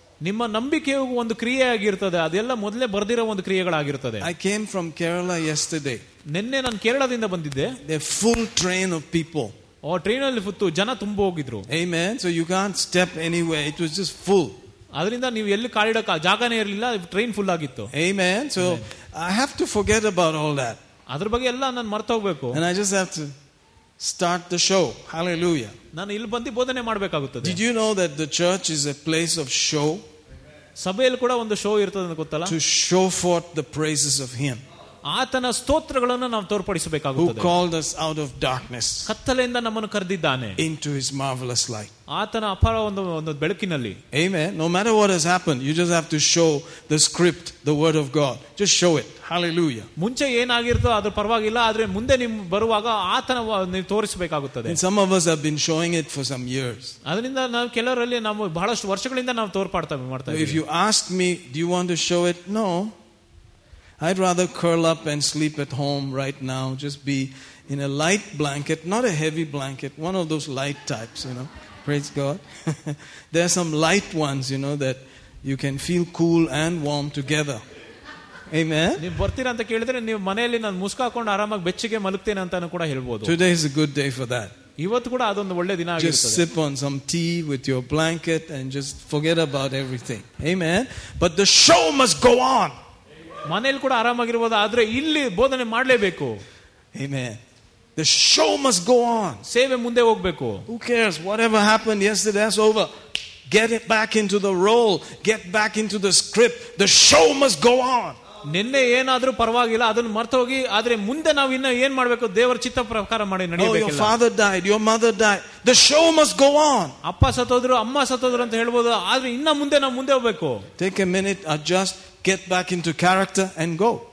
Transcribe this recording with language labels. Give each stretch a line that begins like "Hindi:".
Kannada: ನಿಮ್ಮ ನಂಬಿಕೆಯು ಒಂದು ಕ್ರಿಯೆ ಆಗಿರ್ತದೆ, ಅದೆಲ್ಲ ಮೊದಲೇ ಬರೆದಿರೋ ಒಂದು ಕ್ರಿಯೆಗಳಾಗಿರ್ತದೆ.
English: I came from Kerala yesterday.
Kannada: ನಿನ್ನೆ ನಾನು ಕೇರಳದಿಂದ ಬಂದಿದ್ದೆ.
English: A full train of people.
Kannada: Train ಅಲ್ಲಿ ಹೊತ್ತು ಜನ ತುಂಬ ಹೋಗಿದ್ರು.
English: Amen. So you can't step anywhere. It was just full.
Kannada: ಅದರಿಂದ ನೀವು ಎಲ್ಲಿ ಕಾಲಿಡಕ್ಕೆ ಜಾಗನೇ ಇರಲಿಲ್ಲ, ಟ್ರೈನ್ ಫುಲ್ ಆಗಿತ್ತು.
English: Amen. So I have to forget about all that.
Kannada: ಅದರ ಬಗ್ಗೆ ಎಲ್ಲ ನಾನು ಮರ್ತ ಹೋಗಬೇಕು.
English: And I just have to start the show. Hallelujah.
Kannada: ನಾನು ಇಲ್ಲಿ ಬಂದು ಬೋಧನೆ ಮಾಡಬೇಕಾಗುತ್ತದೆ.
English: Did you know that the church is a place of show?
Kannada: ಸಭೆಯಲ್ಲಿ ಕೂಡ ಒಂದು ಶೋ ಇರ್ತದೆ ಅಂತ ಗೊತ್ತಲ್ಲ.
English: To show forth the praises of him.
Kannada: ಆತನ ಸ್ತೋತ್ರಗಳನ್ನು ನಾವು ತೋರ್ಪಡಿಸಬೇಕಾಗುತ್ತದೆ.
English: Who called us out of darkness?
Kannada: ಕತ್ತಲೆಯಿಂದ ನಮ್ಮನ್ನು ಕರೆದಿದ್ದಾನೆ.
English: Into his marvelous light.
Kannada: ಆತನ ಅಪಾರ ಒಂದು ಬೆಳಕಿನಲ್ಲಿ.
English: Amen. No matter what has happened, you just have to show the script, the word of God. Just show it. Hallelujah.
Kannada: ಮುಂಚೆ ಏನಾಗಿರ್ತೋ ಅದರ ಪರವಾಗಿಲ್ಲ, ಆದರೆ ಮುಂದೆ ನಿಮ್ ಬರುವಾಗ ಆತನ ನೀವು ತೋರಿಸಬೇಕಾಗುತ್ತದೆ.
English: Some of us have been showing it for some years.
Kannada: ಅದರಿಂದ ನಾವು ಕೆಲವರಲ್ಲಿ ನಾವು ಬಹಳಷ್ಟು ವರ್ಷಗಳಿಂದ ನಾವು ತೋರ್ಪಾಡ್ತಾ ಇದ್ದೀವಿ.
English: If you ask me, do you want to show it? No. I'd rather curl up and sleep at home right now, just be in a light blanket, not a heavy blanket, one of those light types, you know. Praise God. There are some light ones, you know, that you can feel cool and warm together. Amen.
Kannada: ನೀವು ಬರ್ತೀರಾ ಅಂತ ಕೇಳಿದ್ರೆ ನೀವು ಮನೆಯಲ್ಲಿ ನಾನು ಮುಸ್ಕ ಹಾಕೊಂಡು ಆರಾಮಾಗಿ ಬೆಚ್ಚಗೆ ಮಲಗ್ತೇನೆ ಅಂತ ಕೂಡ ಹೇಳ್ಬೋದು.
English: Today is a good day for that.
Kannada: ಇವತ್ತು ಕೂಡ ಅದೊಂದು ಒಳ್ಳೆ ದಿನ ಆಗಿರುತ್ತದೆ.
English: Just sip on some tea with your blanket and just forget about everything. Amen. But the show must go on.
Kannada: ಮನೆಯಲ್ಲಿ ಕೂಡ ಆರಾಮಾಗಿರ್ಬೋದು, ಆದ್ರೆ ಇಲ್ಲಿ ಬೋಧನೆ ಮಾಡಲೇಬೇಕು.
English: Amen. The show must go on.
Kannada: ಸೇವೆ ಮುಂದೆ ಹೋಗಬೇಕು.
English: Who cares? Whatever happened yesterday, that's over. Get it back into the role. Get back into the script. The show must go on.
Kannada: ನಿನ್ನೆ ಏನಾದರೂ ಪರವಾಗಿಲ್ಲ ಅದನ್ನು ಮರ್ತು ಹೋಗಿ ಆದ್ರೆ ಮುಂದೆ ನಾವು ಇನ್ನ ಏನ್ ಮಾಡ್ಬೇಕು ದೇವರ ಚಿತ್ತ ಪ್ರಕಾರ ಮಾಡಿ ನಡೆಯಬೇಕು ಅಪ್ಪ ಸತ್ತೋದ್ರು ಅಮ್ಮ ಸತ್ತೋದ್ರು ಅಂತ ಹೇಳ್ಬೋದು ಆದ್ರೆ ಇನ್ನ ಮುಂದೆ ನಾವು ಮುಂದೆ ಹೋಗ್ಬೇಕು
English: take a minute adjust get back into character and go